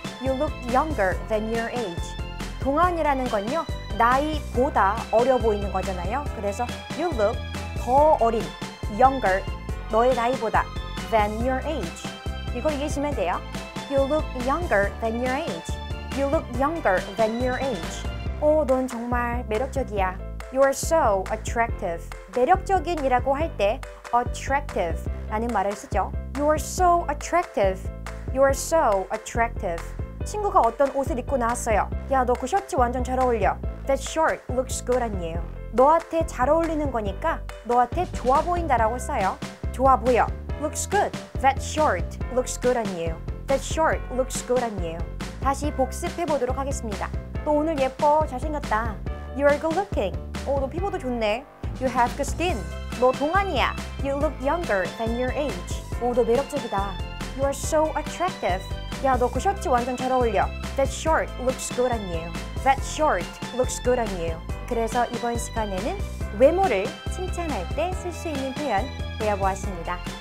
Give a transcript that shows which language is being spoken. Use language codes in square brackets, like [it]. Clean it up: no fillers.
[en] You look younger than your age. [ko] 동안이라는 건요, 나이보다 어려 보이는 거잖아요. 그래서 [en] You look [ko] 더 어린, younger, 너의 나이보다 [en] than your age. [ko] 이걸 이해하시면 돼요. [en] You look younger than your age. You look younger than your age. [ko] 오, 넌 정말 매력적이야. [en] You are so attractive. [ko] 매력적인이라고 할 때 attractive 라는 말을 쓰죠. [en] You are so attractive. You are so attractive. [ko] 친구가 어떤 옷을 입고 나왔어요. 야, 너 그 셔츠 완전 잘 어울려. [en] That shirt looks good on you. [ko] 너한테 잘 어울리는 거니까 너한테 좋아 보인다라고 써요. 좋아 보여. [en] Looks good. That shirt looks good on you. That shirt looks good on you. [ko] 다시 복습해 보도록 하겠습니다. 너 오늘 예뻐, 잘생겼다. [en] You are good looking. [ko] 오, 너 피부도 좋네. [en] You have good skin. [ko] 너 동안이야. [en] You look younger than your age. [ko] 오, 너 매력적이다. [en] You are so attractive. [ko] 야, 너 그 셔츠 완전 잘 어울려. [en] That shirt looks good on you. That shirt looks good on you. [ko] 그래서 이번 시간에는 외모를 칭찬할 때 쓸 수 있는 표현 배워보았습니다.